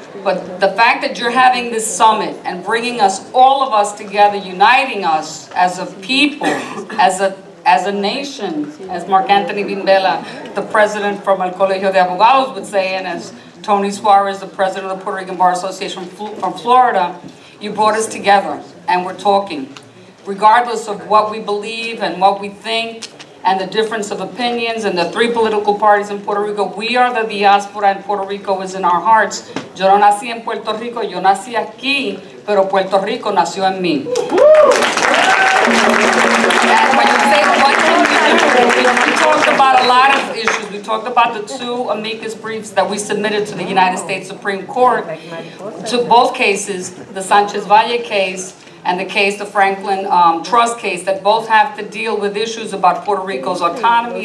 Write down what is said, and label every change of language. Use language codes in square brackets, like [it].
[en] But the fact that you're having this summit and bringing us, all of us together, uniting us as a people, as a nation, as Mark Anthony Bimbella, the president from El Colegio de Abogados would say, and as Tony Suarez, the president of the Puerto Rican Bar Association from Florida, you brought us together and we're talking. Regardless of what we believe and what we think and the difference of opinions and the three political parties in Puerto Rico, we are the diaspora and Puerto Rico is in our hearts. [es] Yo no nací en Puerto Rico, yo nací aquí, pero Puerto Rico nació en mí. [en] And when you say much more, we talked about a lot of issues. We talked about the two amicus briefs that we submitted to the United States Supreme Court, to both cases, the Sanchez Valle case and the case, the Franklin Trust case, that both have to deal with issues about Puerto Rico's autonomy.